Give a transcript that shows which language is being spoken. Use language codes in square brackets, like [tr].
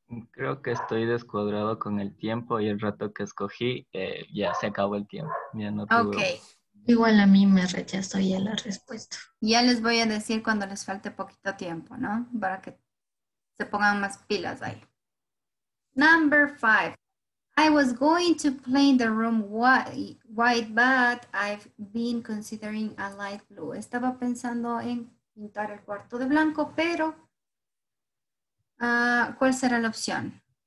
[es] Creo que estoy descuadrado con el tiempo y el rato que escogí, ya se acabó el tiempo. Ya no tuvo. Okay. Igual a mí me rechazó ya la respuesta. Ya les voy a decir cuando les falte poquito tiempo, ¿no? Para que se pongan más pilas ahí. [en] Number five. I was going to paint the room white, but I've been considering a light blue. [es] Estaba pensando en pintar el cuarto de blanco, pero ¿cuál será la opción?